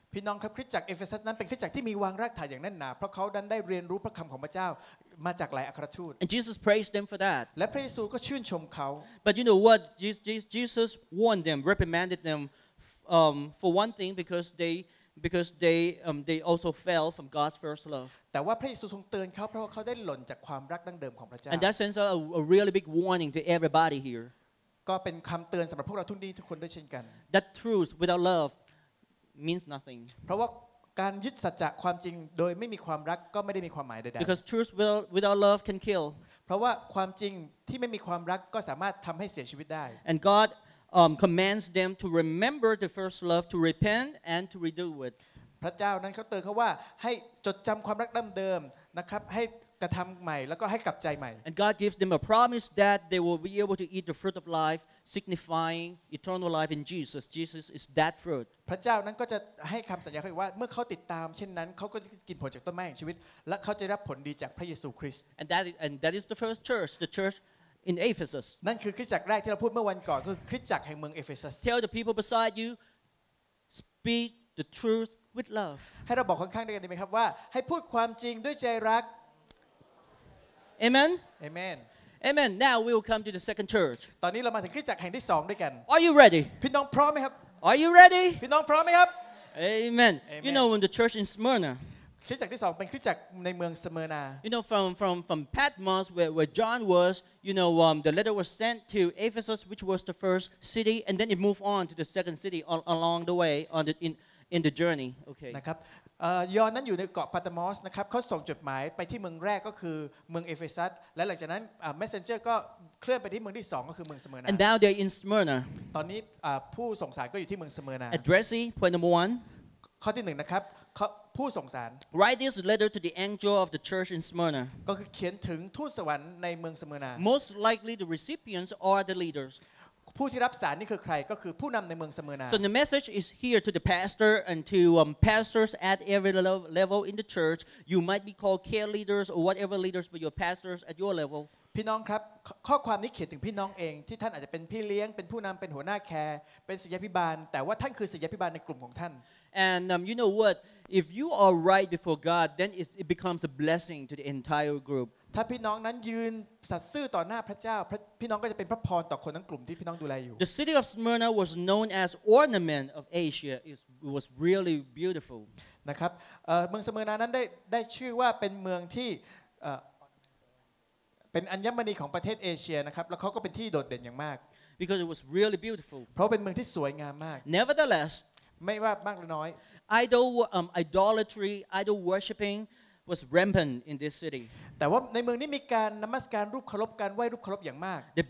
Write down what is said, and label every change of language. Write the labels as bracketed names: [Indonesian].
[Thai] พี่น้องครับคริสตจักรเอเฟซัสนั้นเป็นคริสตจักรที่มีวางรากฐานอย่างแน่นหนาเพราะเขาได้เรียนรู้พระคำของพระเจ้ามาจากหลายอัครทูต [English] And Jesus praised them for that [Thai] และพระเยซูก็ชื่นชมเขา [English] But you know what Jesus warned them reprimanded themfor one thing because they also fell from God's first love [Thai] แต่ว่าพระเยซูทรงเตือนเขาเพราะเขาได้หล่นจากความรักดั้งเดิมของพระเจ้า [English] And that sends a really big warning to everybody here [Thai] ก็เป็นคำเตือนสำหรับพวกเราทุกที่ทุกคนด้วยเช่นกัน [English] That truth without love means nothing [Thai] เพราะว่าการยึดสัจจะความจริงโดยไม่มีความรักก็ไม่ได้มีความหมายใดๆ [English] Because truth without love can kill [Thai] เพราะว่าความจริงที่ไม่มีความรักก็สามารถทำให้เสียชีวิตได้ [English] And Godcommands them to remember the first love to repent and to redo it [Thai] พระเจ้านั้นเค้าเตือนเค้าว่าให้จดจําความรักดั้งเดิมนะครับให้กระทําใหม่แล้วก็ให้กลับใจใหม่ [English] And God gives them a promise that they will be able to eat the fruit of life signifying eternal life in Jesus Jesus is that fruit [Thai] พระเจ้านั้นก็จะให้คําสัญญาเค้าว่าเมื่อเค้าติดตามเช่นนั้นเค้าก็จะกินผลจากต้นไม้แห่งชีวิตและเค้าจะรับผลดีจากพระเยซูคริสต์ [English] And that is the first church the churchIn Ephesus. [Thai] นั่นคือคริสตจักรแรกที่เราพูดเมื่อวันก่อนคือคริสตจักรแห่งเมืองเอเฟซัส [English] Tell the people beside you, speak the truth with love. [Thai] ให้เราบอกข้างๆด้วยกันได้ไหมครับว่าให้พูดความจริงด้วยใจรัก [English] Amen. Amen. Amen. Now we will come to the second church. [Thai] ตอนนี้เรามาถึงคริสตจักรแห่งที่สองด้วยกัน [English] Are you ready? [Thai] พี่น้องพร้อมไหมครับ [English] Are you ready? [Thai] พี่น้องพร้อมไหมครับ [English] Amen. You know when the church in Smyrna. [Thai] คริสตจักรที่สองเป็นคริสตจักรในเมืองสเมอร์นา [English] You know from Patmos where John was you know the letter was sent to Ephesus which was the first city and then it moved on to the second city along the way on the in the journey okay [Thai] นะครับยอห์นนั้นอยู่ในเกาะปาตมอสนะครับเขาส่งจดหมายไปที่เมืองแรกก็คือเมืองเอเฟซัสและหลังจากนั้น messenger ก็เคลื่อนไปที่เมืองที่สองก็คือเมืองสเมอร์นา [English] And now they're in Smyrna [Thai] ตอนนี้ผู้ส่งสารก็อยู่ที่เมืองสเมอร์นา [English] Addressee point number one [Thai] ข้อที่หนึ่งนะครับผู้ส่งสาร [English] Write this letter to the angel of the church in Smyrna [Thai] ก็คือเขียนถึงทูตสวรรค์ในเมืองสเมอร์นา [English] Most likely the recipients are the leaders [Thai] ผู้ที่รับสารนี่คือใครก็คือผู้นำในเมืองสเมอร์นา [English] So the message is here to the pastor and to pastors at every level in the church you might be called care leaders or whatever leaders but your pastors at your level [Thai] พี่น้องครับข้อความนี้เขียนถึงพี่น้องเองที่ท่านอาจจะเป็นพี่เลี้ยงเป็นผู้นำเป็นหัวหน้าแคร์เป็นศิษยาภิบาลแต่ว่าท่านคือศิษยาภิบาลในกลุ่มของท่าน [English] And you know whatIf you are right before God, then it becomes a blessing to the entire group. [Thai] ถ้าพี่น้องนั้นยืนสัตย์ซื่อต่อหน้าพระเจ้าพี่น้องก็จะเป็นพระพรต่อคนทั้งกลุ่มที่พี่น้องดูแลอยู่ [English] The city of Smyrna was known as ornament of Asia. It was really beautiful. [Thai] นะครับเมืองสเมอร์นานั้นได้ชื่อว่าเป็นเมืองที่เป็นอัญมณีของประเทศเอเชียนะครับแล้วเขาก็เป็นที่โดดเด่นอย่างมาก [English] Because it was really beautiful. [Thai] เพราะเป็นเมืองที่สวยงามมาก [English] Nevertheless. [Thai] ไม่ว่ามากหรือน้อย [English] idolatry idol worshiping was rampant in this city [Thai] แต่ว่าในเมืองนี้มีการนมัสการรูปเคารพการไหว้รูปเคารพอย่างมาก